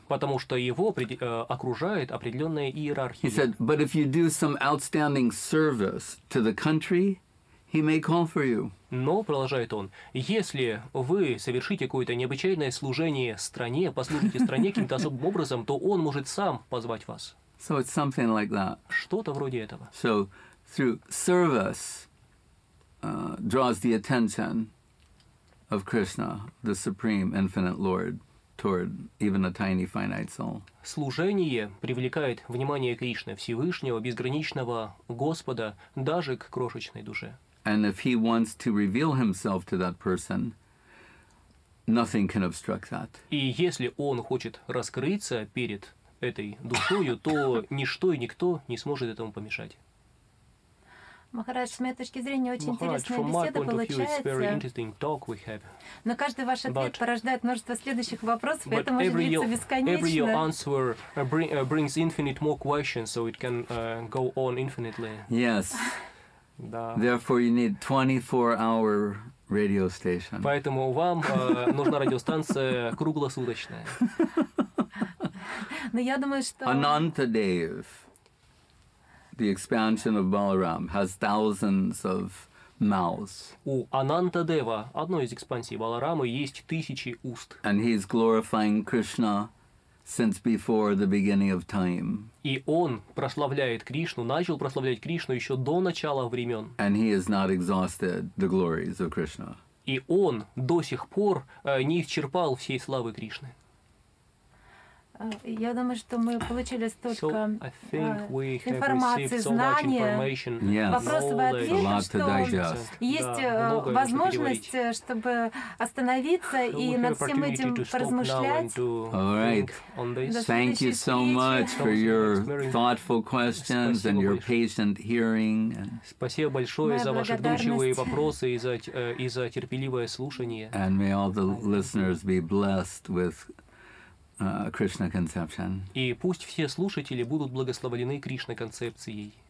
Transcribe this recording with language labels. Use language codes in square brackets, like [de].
[ru] Потому что его окружает определенная иерархия. [en] He said, but if you do some outstanding service to the country, he may call for you. [ru] Но, продолжает он, если вы совершите какое-то необычайное служение стране, послужите стране каким-то особым образом, то он может сам позвать вас. [en] So it's something like that. [ru] Что-то вроде этого. [en] So through service draws the attention of Krishna, the Supreme Infinite Lord, toward even a tiny finite soul. [ru] Служение привлекает внимание Кришны, Всевышнего, безграничного Господа, даже к крошечной душе. [en] And if he wants to reveal himself to that person, nothing can obstruct that. [ru] И если он хочет раскрыться перед этой душою, то ничто и никто не сможет этому помешать. Махарадж, с моей точки зрения, очень интересная беседа получается. Но каждый ваш ответ порождает множество следующих вопросов, и это может длиться бесконечно. [en] Every your answer brings infinite more questions, so it can go on infinitely. Yes. Therefore, you need 24-hour radio station. [ru] Поэтому вам нужна радиостанция круглосуточная. Но я думаю, что [en] Anantadev, the expansion of Balaram, has thousands of mouths. [ru] У Анантадева, одной из экспансий Баларамы, есть тысячи уст. [en] And he's glorifying Krishna since before the beginning of time. [ru] И он прославляет Кришну, начал прославлять Кришну еще до начала времен. [en] And he has not exhausted the glories of Krishna. [ru] И он до сих пор не исчерпал всей славы Кришны. Я думаю, что мы получили столько информации, знания. [en] Yes. [ru] Вопросы вы ответили, что есть возможность, чтобы остановиться и над всем этим поразмышлять. [en] All right. Thank you so much for your thoughtful questions and your patient hearing. [ru] Спасибо большое за ваши вдумчивые вопросы и за терпеливое слушание. [en] And may all the listeners be blessed with Krishna conception. [ru] И пусть все слушатели будут благословлены Кришна концепцией.